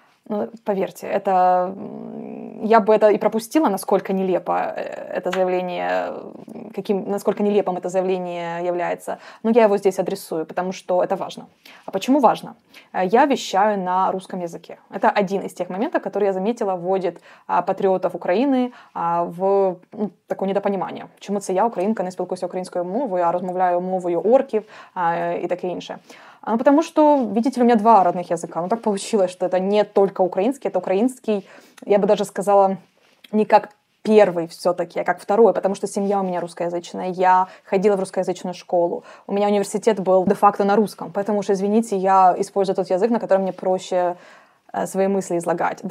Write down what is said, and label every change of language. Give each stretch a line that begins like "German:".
Russian: Ну, поверьте, это я бы это и пропустила, насколько нелепо это заявление, насколько нелепым это заявление является, но я его здесь адресую, потому что это важно. А почему важно? Я вещаю на русском языке. Это один из тех моментов, который я заметила, вводит патриотов Украины в такое недопонимание.
Ukrainian: Чомуце я, українка, не спілкуюся українською мовою, а розмовляю мовою орків і таке інше.
Russian: Потому что, видите, у меня два родных языка. Ну, так получилось, что это не только украинский, это украинский, я бы даже сказала, не как первый все-таки, а как второй, потому что семья у меня русскоязычная, я ходила в русскоязычную школу, у меня университет был де-факто на русском, поэтому уж, извините, я использую тот язык, на котором мне проще свои мысли излагать.